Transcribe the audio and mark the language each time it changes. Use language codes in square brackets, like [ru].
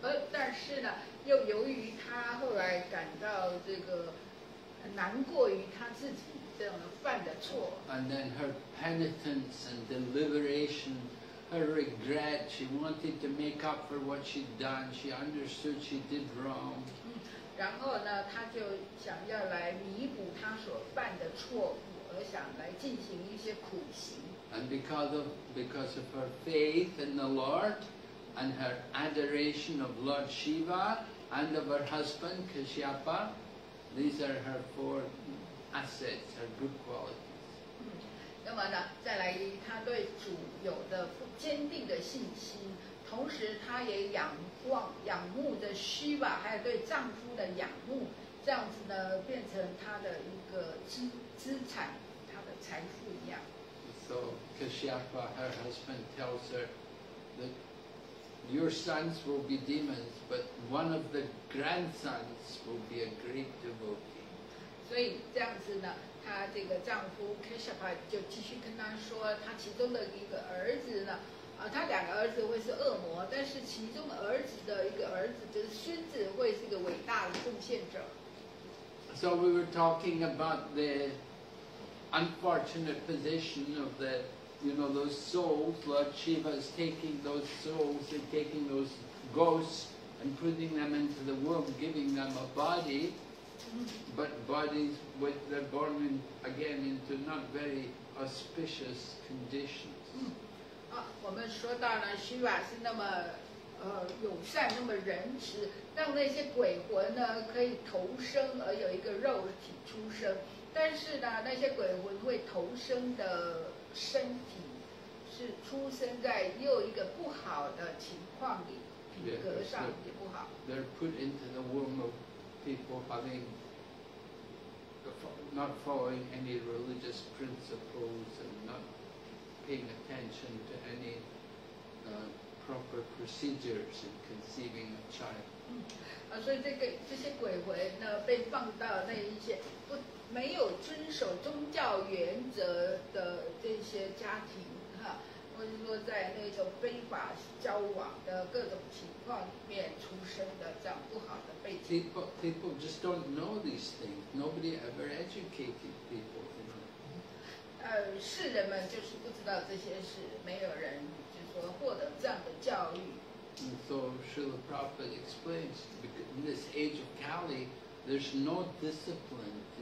[zh] 但是呢，又由于他后来感到这个难过于他自己这样的犯的错 [en] ，and then her penitence and deliberation, her regret, she wanted to make up for what she'd done. She understood she did wrong. [zh] 然后呢，他就想要来弥补他所犯的错误，而想来进行一些苦行。 [en] And because of her faith in the Lord. And her adoration of Lord Shiva and of her husband Kashyapa, these are her four assets, her good qualities. [zh] 那么呢，再来，她对主有的坚定的信心，同时她也仰慕的 Shiva， 还有对丈夫的仰慕，这样子呢变成她的一个资产，她的财富一样。 [en] So Kashyapa, her husband tells her that your sons will be demons, but one of the grandsons will be a great devotee. [zh] 所以这样子呢，她这个丈夫 Kashyapa 就继续跟她说，她其中的一个儿子呢，她两个儿子会是恶魔，但是其中儿子的一个儿子就是孙子会是一个伟大的奉献者。 [en] So we were talking about the unfortunate position of the, you know, those souls. Lord Shiva is taking those souls and taking those ghosts and putting them into the womb, giving them a body, but bodies with, they're born in, again into not very auspicious conditions. [zh] 我们说到呢，希瓦是那么友善，那么仁慈，让那些鬼魂呢可以投生而有一个肉体出生。但是呢，那些鬼魂会投生的身体是出生在又一个不好的情况里，品格上也不好。 [en] Yeah, they're put into the womb of people having not following any religious principles and not paying attention to any proper procedures in conceiving a child. [zh] 所以这些鬼魂呢，被放到那一些不。没有遵守宗教原则的这些家庭，哈，或者说在那种非法交往的各种情况里面出生的这样不好的背景。 [en] People just don't know these things. Nobody ever educated people. You know? [zh] 世人们就是不知道这些事，没有人就说获得这样的教育。 [en] And so Srila Prabhupada explains, in this age of Kali, there's no discipline.